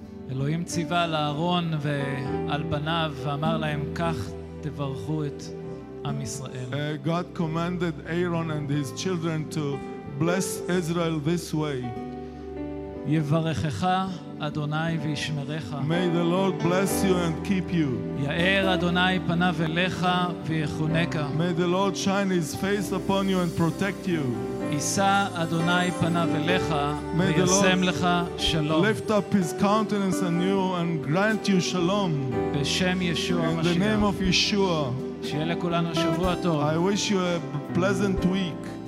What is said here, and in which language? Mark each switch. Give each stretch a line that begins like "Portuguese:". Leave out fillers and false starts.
Hebrew: Elohim ציווה על אהרון ועל בניו ואמר להם כך תברכו את עם ישראל.
English: God commanded Aaron and his children to bless Israel this way.
Hebrew: יברכך אדוני וישמרך.
English: May the Lord bless you and keep you.
Hebrew: יאר אדוני פניו אליך ויחונך.
English: May the Lord shine his face upon you and protect you.
Hebrew: ישא אדוני פניו אליך וישם לך שלום.
English: Lift up his countenance on you and grant you shalom.
Hebrew: בשם ישוע המשיח.
English: In the name of Yeshua.
Hebrew: שיהיה לכולנו שבוע טוב.
English: I wish you a pleasant week.